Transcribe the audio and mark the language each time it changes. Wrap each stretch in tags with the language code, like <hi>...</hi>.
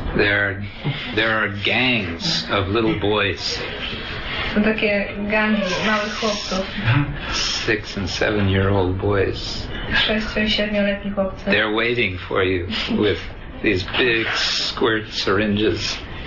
<en>There are gangs of little boys.</en> <pl>Są takie gangi małych chłopców.</pl> <en>6 and 7 year old boys.</en> <pl>6 i 7 letni chłopcy.</pl> <en>They're waiting for you with these big squirt syringes.</en>